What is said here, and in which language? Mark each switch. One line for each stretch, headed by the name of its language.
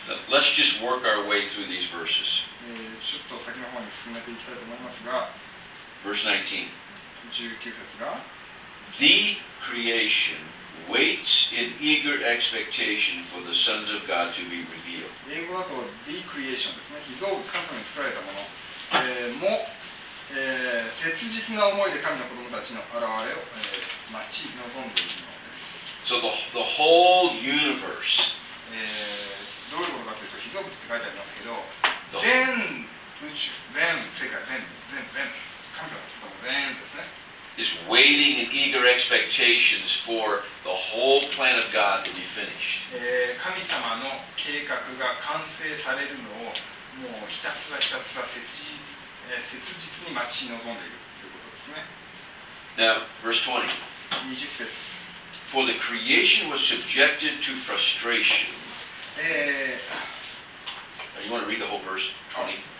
English: Let's just work our way through these verses.
Japanese: ちょっと先の方に進めていきたいと思いますが、
English: Verse 19
Japanese: 節が、
English: The creation waits in eager expectation for the sons of God to be revealed.
Japanese: 英語だと
English: The creation
Japanese: ですね、被造物、神様に作られたもの、も、切実な思いで神の子供たちの現れを、待ち望んでいるのです。
English: So the whole universe.
Japanese: どういうことかというと、被造物って書いてありますけど、全宇宙、全世界、全、神様が作ったもの全ですね。
English: Is waiting in eager expectations for the whole plan of God to be finished.
Japanese: 神様の計画が完成されるのを、もうひたすらひたすら切実に待ち望んでいるということですね。
English: Now, verse 20. 20
Japanese: 節。
English: For the creation was subjected to frustration. You want to read the whole verse 20?